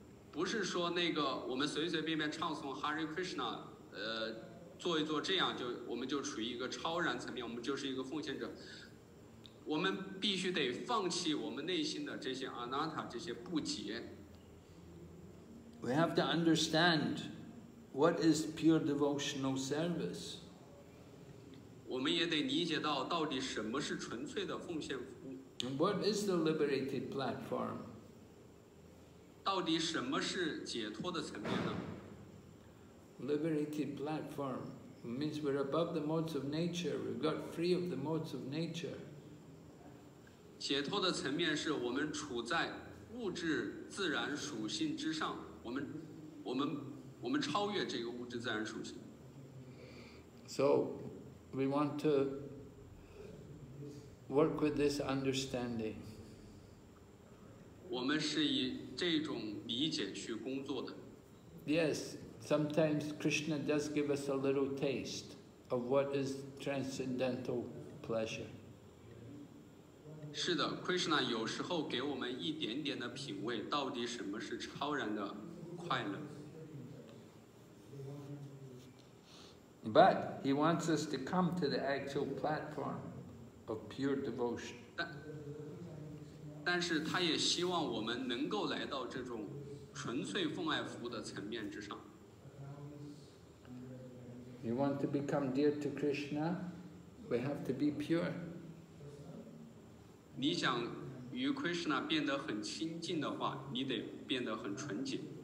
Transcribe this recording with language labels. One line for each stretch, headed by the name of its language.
Chinese: 不是说那个我们随随便便唱诵 Hare Krishna, 做一做这样就我们就处于一个超然层面，我们就是一个奉献者。我们必须得放弃我们内心的这些 anatta, 这些不洁。
English: We have to understand what is pure devotional service.
Chinese: 我们也得理解到到底什么是纯粹的奉献服务。
English: What is the liberated platform?
Chinese: 到底什么是解脱的层面呢？
English: Liberated platform means we're above the modes of nature. We've got free of the modes of nature.
Chinese: 解脱的层面是我们处在物质自然属性之上。我们超越这个物质自然属性。
English: So, we want to work with this understanding.
Chinese: 我们是以这种理解去工作的。
English: Yes, sometimes Krishna does give us a little taste. of what is transcendental pleasure.
Chinese: 是的 ，Krishna 有时候给我们一点点的品味，到底什么是超然的快乐。
English: But he wants us to come to the actual platform of pure devotion.
Chinese: 但是他也希望我们能够来到这种纯粹奉爱服务的层面之上。
English: You want to become dear to Krishna? We have to be pure.
Chinese: 你想与 Krishna 变得很亲近的话，你得变得很纯洁。